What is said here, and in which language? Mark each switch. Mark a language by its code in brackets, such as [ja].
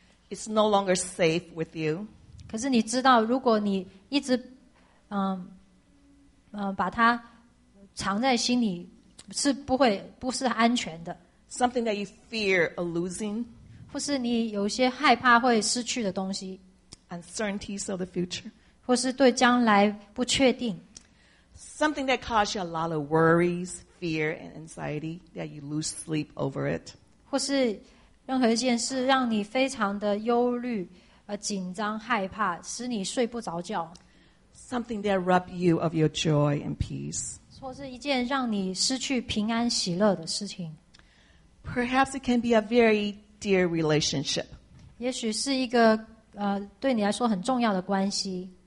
[en] ？It's no longer safe with you. [zh] 可是你知道，如果你一直把它藏在心里是不会不是安全的。 [en] Something that you fear of losing， [zh] 或是你有些害怕会失去的东西。 [en] Uncertainties of the future， [zh] 或是对将来不确定。 [en] Something that causes you a lot of worries, fear, and anxiety that you lose sleep over it， [zh] 或是任何一件事让你非常的忧虑、紧张、害怕，使你睡不着觉。 [en] Something that rob you of your joy and peace. [zh] 或是一件让你失去平安喜乐的事情。 [en] Perhaps it can be a very dear relationship. [zh] 也许是一个对你来说很重要的关系。